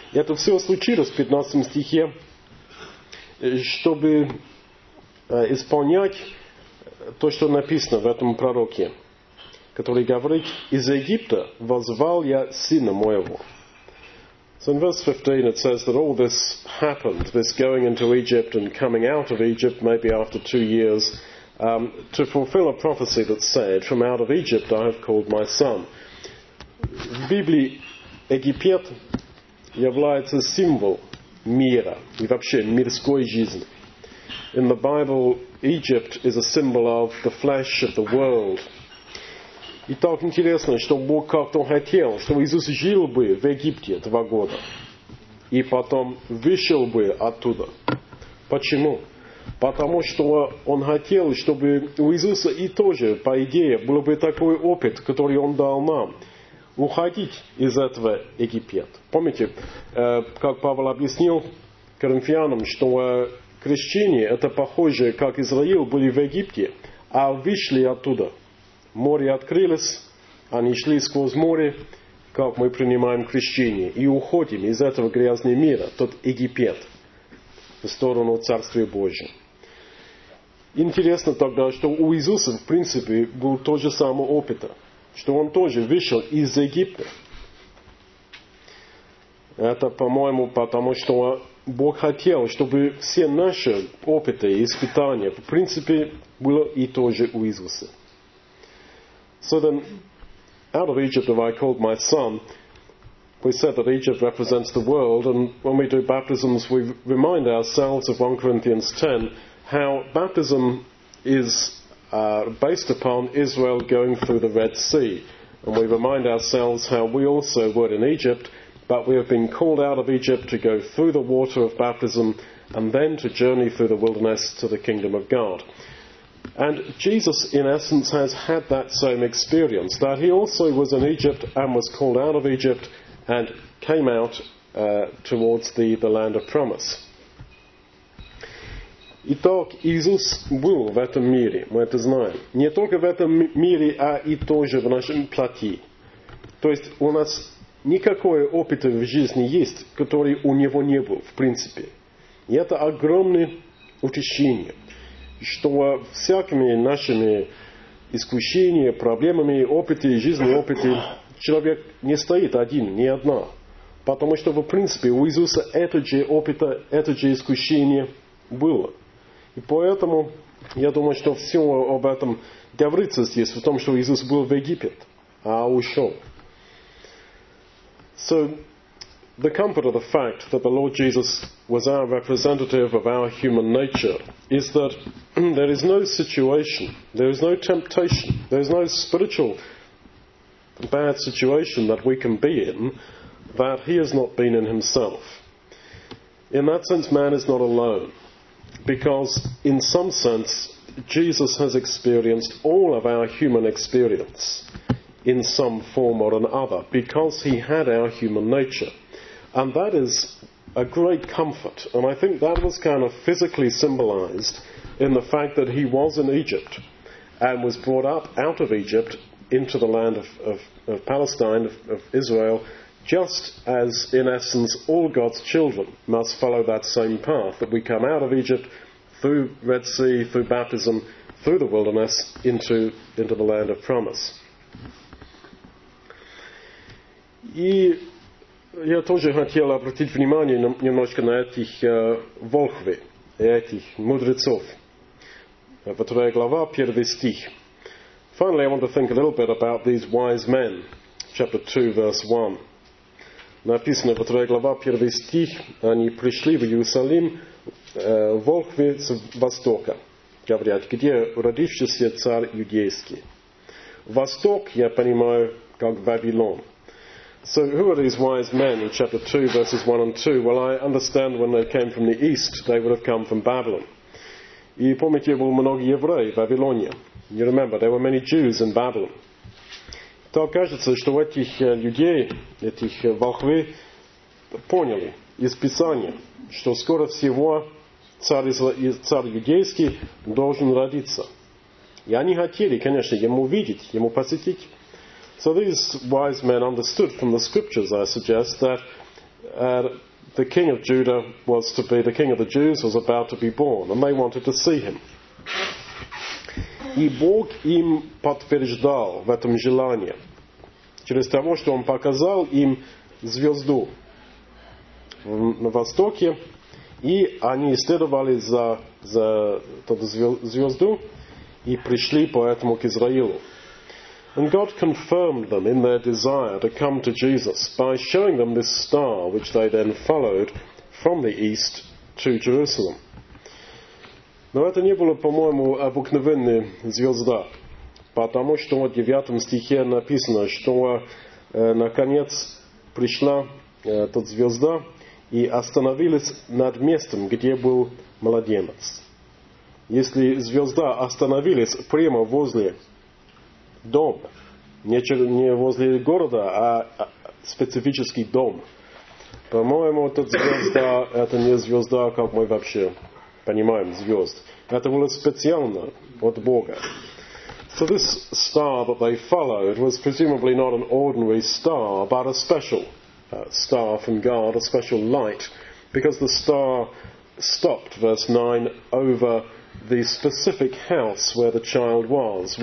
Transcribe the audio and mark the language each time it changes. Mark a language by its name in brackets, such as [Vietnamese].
[Russian] И это все случилось в 15 стихе, чтобы исполнять то, что написано в этом пророке, который говорит, из Египта возвал я сына моего. [English] So in verse 15 it says that all this happened, this going into Egypt and coming out of Egypt, maybe after 2 years, to fulfill a prophecy that said, from out of Egypt I have called my son. [Russian] В Библии Египет является символ мира и вообще мирской жизни. [English] In the Bible, Egypt is a symbol of the flesh of the world. [Russian] И так интересно, что Бог как-то хотел, чтобы Иисус жил бы в Египте 2 года и потом вышел бы оттуда. Почему? Потому что он хотел, чтобы у Иисуса и тоже, по идее, был бы такой опыт, который он дал нам. Уходить из этого Египет. Помните, как Павел объяснил коринфянам, что крещение, это похоже, как Израил были в Египте, а вышли оттуда. Море открылось, они шли сквозь море, как мы принимаем крещение, и уходим из этого грязного мира, тот Египет, в сторону Царствия Божия. Интересно тогда, что у Иисуса, в принципе, был тот же самый опыт, что он тоже вышел из Египта. Это, по-моему, потому что Бог хотел, чтобы все наши опыты и испытания, в принципе, было и тоже у Иисуса. [English] So then, out of Egypt have I called my son. We said that Egypt represents the world, and when we do baptisms, we remind ourselves of 1 Corinthians 10, how baptism is based upon Israel going through the Red Sea. And we remind ourselves how we also were in Egypt, but we have been called out of Egypt to go through the water of baptism and then to journey through the wilderness to the kingdom of God. And Jesus, in essence, has had that same experience, that he also was in Egypt and was called out of Egypt and came out towards the land of promise. [Russian] Итак, Иисус был в этом мире, мы это знаем. Не только в этом мире, а и тоже в нашем плоти. То есть у нас никакого опыта в жизни есть, который у него не был, в принципе. И это огромное утешение, что всякими нашими искушениями, проблемами, опытами, жизненными опытами, человек не стоит один, не одна. Потому что, в принципе, у Иисуса этот же опыт, это же искушение было. И поэтому, я думаю, что все об этом говорится здесь, в том, что Иисус был в Египет, а ушел. [English] So, the comfort of the fact that the Lord Jesus was our representative of our human nature is that there is no situation, there is no temptation, there is no spiritual bad situation that we can be in that he has not been in himself. In that sense, man is not alone. Because in some sense, Jesus has experienced all of our human experience in some form or another because he had our human nature. And that is a great comfort. And I think that was kind of physically symbolized in the fact that he was in Egypt and was brought up out of Egypt into the land of Palestine, of Israel, just as, in essence, all God's children must follow that same path, that we come out of Egypt through Red Sea, through baptism, through the wilderness, into the land of promise. [Russian] И я тоже хотел обратить внимание немножко на этих волхвы, этих мудрецов. Вторая глава, первый стих. [English] Finally, I want to think a little bit about these wise men. Chapter 2, verse 1. [Russian] Написано в 3 глава, 1 стих, они пришли в Иерусалим, волхвы с востока. Говорят, где родившийся царь иудейский. Восток, я понимаю, как Вавилон. [English] So, who are these wise men in chapter 2, verses 1 and 2? Well, I understand when they came from the east, they would have come from Babylon. [Russian] И помните, было много евреев в Вавилоне. [English] You remember, there were many Jews in Babylon. [Russian] То кажется, что этих людей, этих волхвы, поняли из Писания, что скоро всего царь иудейский должен родиться. И они хотели, конечно, ему видеть, ему посетить. [English] So these wise men understood from the scriptures, I suggest, that the king of Judah was to be, the king of the Jews was about to be born, and they wanted to see him. [Russian] И Бог им подтверждал в этом желании, через того, что он показал им звезду на востоке, и они следовали за эту звезду и пришли поэтому к Израилю. [English] And God confirmed them in their desire to come to Jesus by showing them this star, which they then followed from the east to Jerusalem. [Russian] Но это не было, по-моему, обыкновенная звезда. Потому что в 9 стихе написано, что наконец пришла эта звезда и остановилась над местом, где был младенец. если звезда остановилась прямо возле дома, не возле города, а специфический дом. По-моему, эта звезда, это не звезда, как мы вообще понимаем звезд. Это было специально от Бога. [English] So this star that they followed was presumably not an ordinary star, but a special star from God, a special light, because the star stopped, verse 9, over the specific house where the child was.